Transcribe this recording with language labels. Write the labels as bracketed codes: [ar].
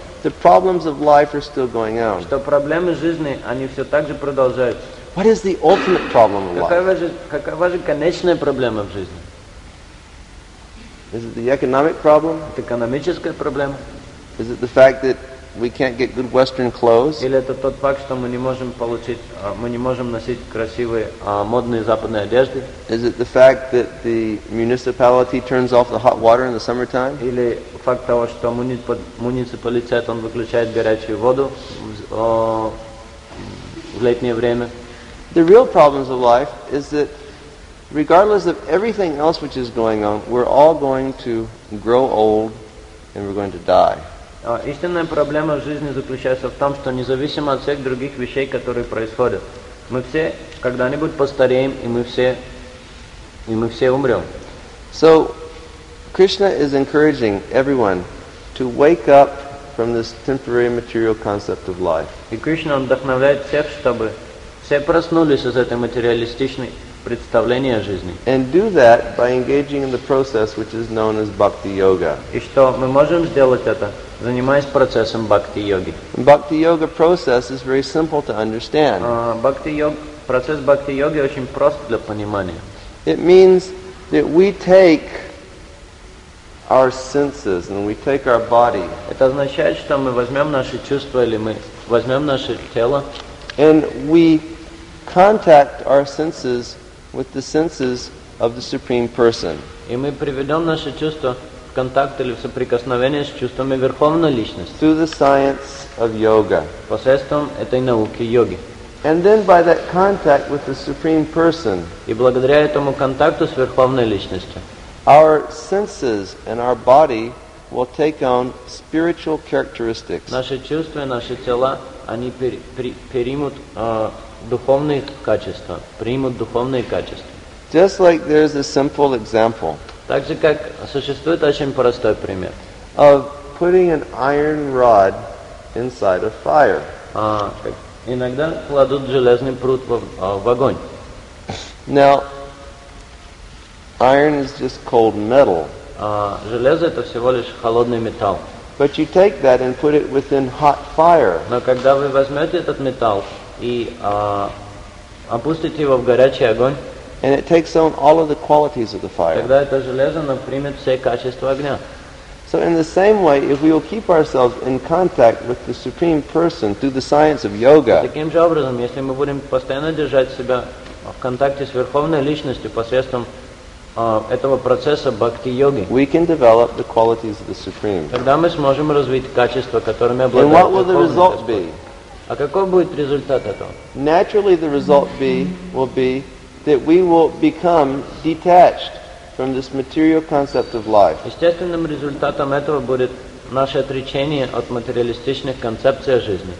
[en] the problems of life are still going on. [ru] Что проблемы жизни, они все так же продолжаются. [en] What is the ultimate problem of life? [ru] Какова же конечная проблема в жизни? [en] Is it the economic problem? [ru] Это экономическая проблема. [en] Is it the fact that we can't get good Western clothes? [ru] Или это тот факт, что мы не можем носить красивые модные западные одежды? [en] Is it the fact that the municipality turns off the hot water in the summertime? [ru] Или факт того, что муниципалитет он выключает горячую воду в летнее время? [en] The real problems of life is that regardless of everything else which is going on, we're all going to grow old and we're going to die. [ru] Истинная проблема в жизни заключается в том, что независимо от всех других вещей, которые происходят, мы все когда-нибудь постареем, и мы все умрем. [en] So, Krishna is encouraging everyone to wake up from this temporary material concept of life. [ru] И Кришна вдохновляет всех, чтобы все проснулись из этой материалистичной представления о жизни. [en] And do that by engaging in the process which is known as Bhakti Yoga. [ru] И что мы можем сделать это? Занимаясь процессом бхакти-йоги. [en] Бхакти-йога process is very simple to understand. [ru] Процесс бхакти-йоги очень прост для понимания. [en] It means that we take our senses and we take our body. [ru] Это означает, что мы возьмем наши чувства или мы возьмем наше тело. [en] And we contact our senses with the senses of the Supreme Person. [ru] И мы приведем наши чувства контакт или соприкосновение с чувствами Верховной Личности. [en] Through the science of yoga. [ru] Посредством этой науки йоги. [en] And then by that contact with the Supreme Person. [ru] И благодаря этому контакту с Верховной Личностью. [en] Our senses and our body will take on spiritual characteristics. [ru] Наши чувства и наши тела, они примут духовные качества. Примут духовные качества. [en] Just like there's a simple example. [ru] Так же, как существует очень простой пример. [en] of putting an iron rod inside a fire. [ru] Иногда кладут железный прут в огонь. [en] Now, iron is just cold metal. [ru] Железо это всего лишь холодный металл. [en] But you take that and put it within hot fire. [ru] Но когда вы возьмете этот металл и опустите его в горячий огонь, [en] and it takes on all of the qualities of the fire. [ru] Тогда это железо примет все качества огня. [en] So in the same way, if we will keep ourselves in contact with the Supreme Person through the science of yoga. [ru] Таким же образом, если мы будем постоянно держать себя в контакте с Верховной Личностью посредством этого процесса бхакти-йоги, [en] we can develop the qualities of the Supreme. [ru] Тогда мы сможем развить качества, которыми обладает Верховный. [en] And what will the result be? [ru] А каков будет результат этого? [en] Naturally, the result will be that we will become detached from this material concept of life. [ru] Естественным результатом этого будет наше отречение от материалистичных концепций о жизни.